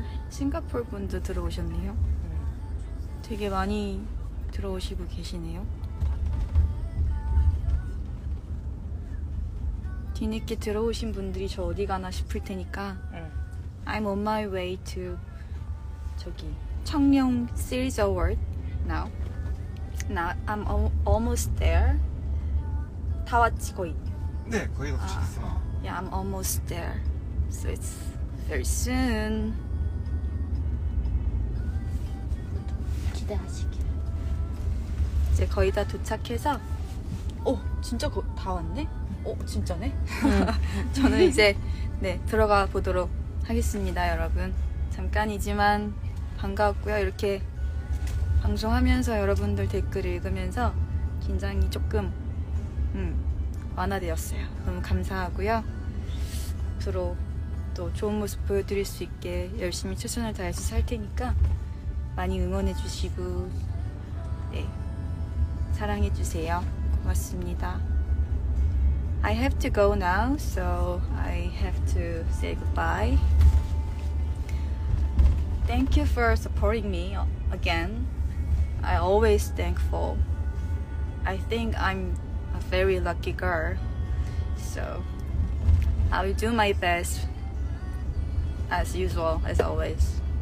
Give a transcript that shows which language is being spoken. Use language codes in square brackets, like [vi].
[ko] 싱가포르 분도 들어오셨네요. 되게 많이 들어오시고 계시네요. 뒤늦게 들어오신 분들이 저 어디 가나 싶을 테니까 [en] I'm on my way to 저기 청룡 series award now I'm almost there. [ko] 다 왔지 거의? 네, 거의 왔습니다. [en] Yeah, I'm almost there. So it's very soon. [ko] 이제 거의 다 도착해서 오! 진짜 다 왔네? 오! 진짜네? 저는 이제 네 들어가 보도록 하겠습니다. 여러분 잠깐이지만 반가웠고요. 이렇게 방송하면서 여러분들 댓글을 읽으면서 긴장이 조금 완화되었어요. 너무 감사하고요. 앞으로 또 좋은 모습 보여드릴 수 있게 열심히 최선을 다해서 살 테니까 많이 응원해 주시고 네 사랑해 주세요. 고맙습니다. [en] I have to go now, so I have to say goodbye. Thank you for supporting me again. I always thankful. I think I'm a very lucky girl. So I will do my best as usual, as always.